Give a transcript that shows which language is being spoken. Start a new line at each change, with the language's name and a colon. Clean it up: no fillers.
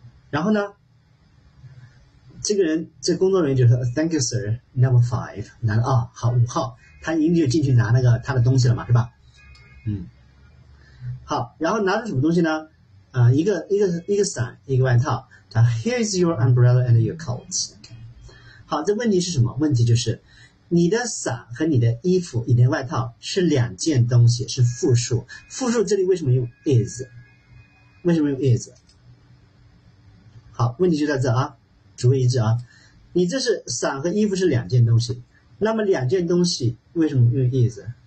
Chinese: 然后呢，这个人，这工作人员就说
English: "Thank you, sir. Number five."
Chinese: 拿了啊，好，五号，他已经就进去拿那个他的东西了嘛，是吧？嗯，好，然后拿的什么东西呢？一个伞，一个外套。他
English: "Here is your umbrella and your coat."
Chinese: 好，这问题是什么？问题就是你的伞和你的衣服、你的外套是两件东西，是复数。复数这里为什么用 is？ 为什么用 is？好，问题就在这啊，主谓一致啊，你这是伞和衣服是两件东西，那么两件东西为什么用 is？